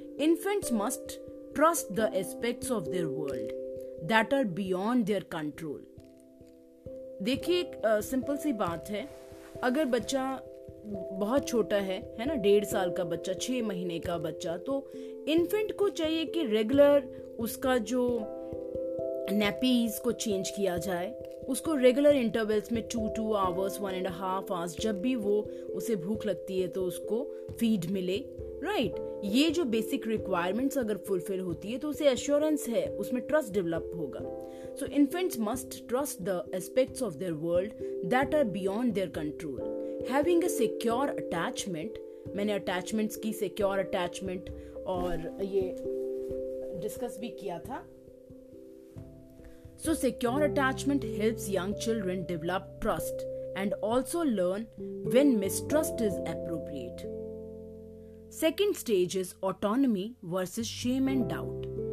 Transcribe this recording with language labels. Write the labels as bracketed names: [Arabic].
[English] Infants must trust the aspects of their world that are beyond their control. [Hindi] देखिए एक simple सी बात है, अगर बच्चा बहुत छोटा है ना, 1.5 साल का बच्चा, 6 महीने का बच्चा, तो इन्फेंट को चाहिए कि रेगुलर उसका जो नैपीज को चेंज किया जाए, उसको रेगुलर इंटरवल्स में 2 आवर्स 1.5 आवर्स जब भी वो उसे भूख लगती है तो उसको फीड मिले. राइट? ये जो बेसिक रिक्वायरमेंट्स अगर फुलफिल होती है तो उसे एश्योरेंस है, उसमें ट्रस्ट डेवलप होगा. [English] So infants must trust the aspects of their world that are beyond their control. Having a secure attachment, [Hindi] मैंने अटैचमेंट्स की सिक्योर अटैचमेंट और ये डिस्कस भी किया था. [English] So secure attachment helps young children develop trust and also learn when mistrust is appropriate. Second stage is autonomy versus shame and doubt.